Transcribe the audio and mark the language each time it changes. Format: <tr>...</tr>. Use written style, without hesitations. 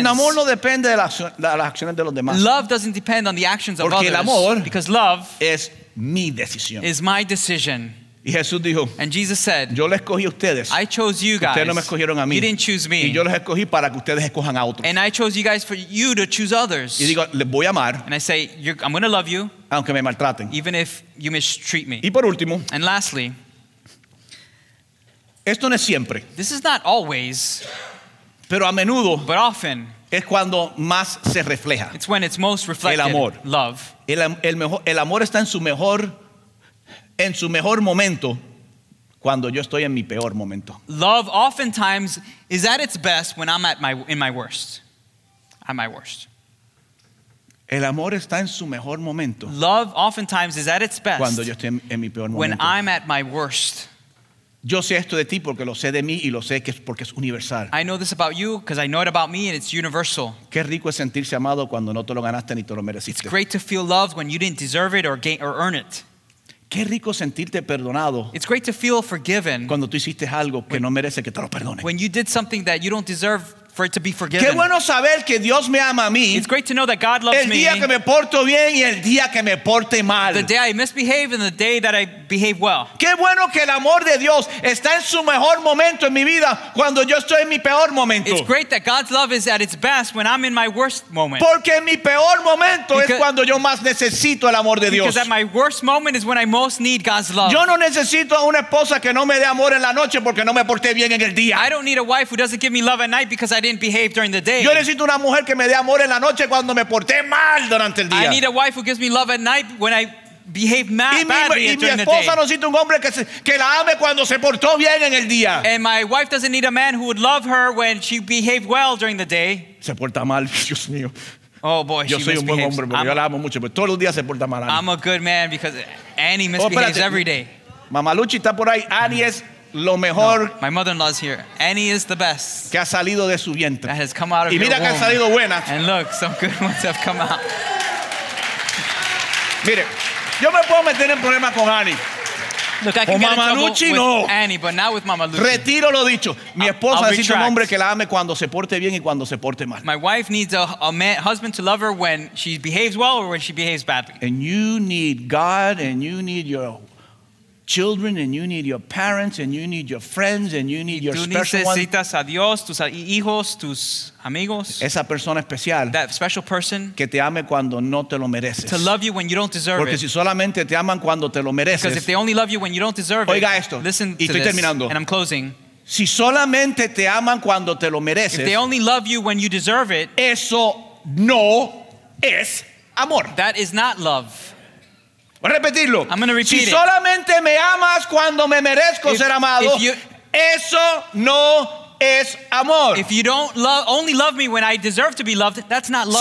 <es>El amor no depende de las acciones de los demás.</es> <en>Love doesn't depend on the actions of</en> <es>Porque</es> <en>others.</en> <es>El amor</es> <en>because love</en> <es>es mi decisión.</es> <en>Is my decision.</en> <es>Y Jesús dijo,</es> <en>and Jesus said,</en> <es>yo les escogí a ustedes.</es> <en>I chose you guys.</en> <es>Ustedes no me escogieron a mí.</es> <en>You didn't choose me.</en> <es>Y yo los escogí para que ustedes escojan a otros.</es> <en>And I chose you guys for you to choose others.</en> <es>Y digo, les voy a amar.</es> <en>And I say, I'm going to love you.</en> <es>Aunque me maltraten.</es> <en>Even if you mistreat me.</en> <es>Y por último,</es> <en>and lastly,</en> <es>esto no es siempre.</es> <en>This is not always.</en> <es>Pero a menudo,</es> <en>but often,</en> <es>es cuando más se refleja.</es> <en>It's when it's most reflected.</en> <es>El amor.</es> <en>Love.</en> <es>El amor está en su mejor en su mejor momento, cuando yo estoy en mi peor momento.</es> <en>Love oftentimes is at its best when I'm at my worst.</en> <es>El amor está en su mejor momento.</es> <en>Love oftentimes is at its best</en> <es>cuando yo estoy en mi peor momento.</es> <en>When I'm at my worst.</en> <es>Yo sé esto de ti porque lo sé de mí y lo sé que es porque es universal.</es> <en>I know this about you because I know it about me and it's universal.</en> <es>Qué rico es sentirse amado cuando no te lo ganaste ni te lo mereciste.</es> <en>It's great to feel loved when you didn't deserve it or earn it.</en> <es>Qué rico sentirte perdonado.</es> <en>It's great to feel forgiven</en> <es>cuando tú hiciste algo que no merece que te lo perdone.</es> <en>When you did something that you don't deserve for it to be forgiven.</en> <es>Qué bueno saber que Dios me ama a mí.</es> <en>It's great to know that God loves me.</en> <es>El día que me porto bien y el día que me porte mal.</es> <en>The day I misbehave and the day that I behave well.</en> <es>Qué bueno que el amor de Dios está en su mejor momento en mi vida cuando yo estoy en mi peor momento.</es> <en>It's great that God's love is at its best when I'm in my worst moment.</en> <es>Porque en mi peor momento es cuando yo más necesito el amor de Dios.</es> <en>Because at my worst moment is when I most need God's love.</en> <es>Yo no necesito a una esposa que no me dé amor en la noche porque no me porté bien en el día.</es> <en>I don't need a wife who doesn't give me love at night because I didn't behave during the day.</en> <es>Yo necesito una mujer que me dé amor en la noche cuando me porté mal durante el día.</es> <en>I need a wife who gives me love at night when I behave mad,</en> <es>y mi,</es> <en>badly</en> <es>y</es> <en>during</en> <es>mi esposa No necesita un hombre que la ame cuando se portó bien en el día.</es> <en>And my wife doesn't need a man who would love her when she behaved well during the day.</en> <es>Se porta mal, Dios mío.</es> <en>Oh boy,</en> <es>yo</es> <en>she</en> <es>soy un buen hombre, porque yo la amo mucho, pero todos los días se porta mal.</es> <en>I'm a good man because Annie misbehaves every day.</en> <es>Mamaluchi está por ahí. Annie es lo mejor.</es> <en>No, my mother-in-law is here. Annie is the best.</en> <es>Que ha salido de su vientre.</es> <en>That has come out of</en> <es>y mira</es> <en>your</en> <es>que</es> <en>womb.</en> <es>Ha salido buena.</es> <en>And look, some good ones have come out.</en> <es>Mire, yo me puedo meter en problemas con Annie.</es> <en>Look, I</en> <es>con Mama</es> <en>get in trouble</en> <es>Lucci,</es> <en>with</en> <es>no.</es> <en>Annie, but not with Mama Lucci.</en> <es>Retiro lo dicho. Mi esposa necesita un hombre que la ame cuando se porte bien y cuando se porte mal.</es> <en>My wife needs a man, husband to love her when she behaves well or when she behaves badly. And you need God and you need your children and you need your parents and you need your friends and you need your special ones.</en> <es>Tú necesitas a Dios, tus hijos, tus amigos. Esa persona especial.</es> <en>That special person.</en> <es>Que te ame cuando no te lo mereces.</es> <en>To love you when you don't deserve</en> <es>porque</es> <en>it.</en> <es>Porque si solamente te aman cuando te lo mereces.</es> <en>Because if they only love you when you don't deserve</en> <es>oiga Oiga esto.</es> <en>Listen</en> <es>y</es> <en>to</en> <es>estoy</es> <en>this.</en> <es>Terminando.</es> <en>And I'm closing.</en> <es>Si solamente te aman cuando te lo mereces.</es> <en>If they only love you when you deserve it.</en> <es>Eso no es amor.</es> <en>That is not love.</en> <es>Voy a repetirlo.</es> <en>I'm going to repeat</en> <es>si solamente</es> <en>it.</en> <es>Me amas cuando me merezco</es> <en>if,</en> <es>ser amado,</es> <en>you,</en> <es>eso no es amor.</es> <en>If you don't love, only love me when I deserve to be loved, that's not love.</en>